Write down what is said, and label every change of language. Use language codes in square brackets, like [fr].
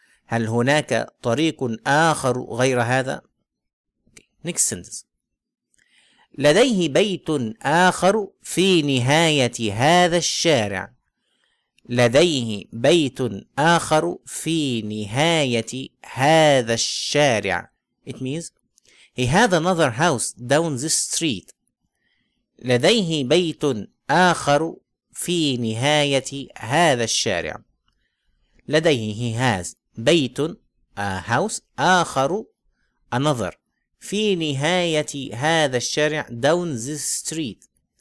[ar] هل هناك طريق آخر غير هذا؟ okay. [en] Next sentence. [ar] لديه بيت آخر في نهاية هذا الشارع. لديه بيت آخر في نهاية هذا الشارع. [en] It means he has another house down this street. [ar] لديه بيت آخر في نهاية هذا الشارع. لديه [en] he has [ar] بيت [en] a house [ar] آخر [en] another [ar] في نهاية هذا الشارع [en] down this street.